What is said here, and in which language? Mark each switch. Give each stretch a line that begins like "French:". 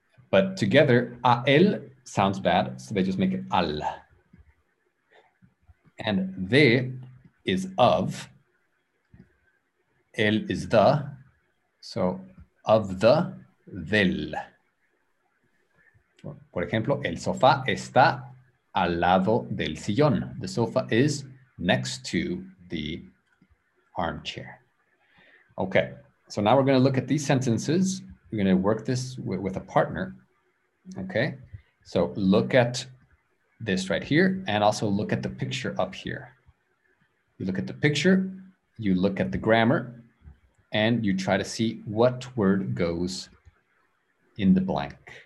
English: But together, a el sounds bad, so they just make it al. And de is of, el is the, so of the, del.
Spanish: Por ejemplo, el sofá está al lado del sillón.
English: The sofa is next to the armchair. Okay, so now we're going to look at these sentences. We're going to work this with a partner. Okay, so look at this right here, and also look at the picture up here. You look at the picture, you look at the grammar, and you try to see what word goes in the blank.